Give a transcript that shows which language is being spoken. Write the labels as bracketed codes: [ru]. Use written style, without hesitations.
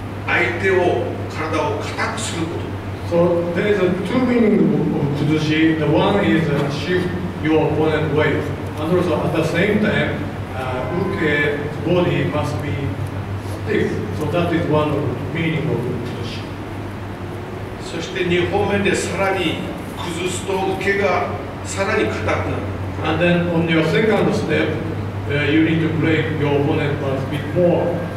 [en] So there is a two meaning of kuzushi. The one is shift your opponent weight. And also at the same time, uke's body must be stiff. So that is one of the meaning of kuzushi. [ja] そして2方面でさらに崩すと uke がさらに硬くなる。 [en] And then on your second step, you need to break your opponent a bit more.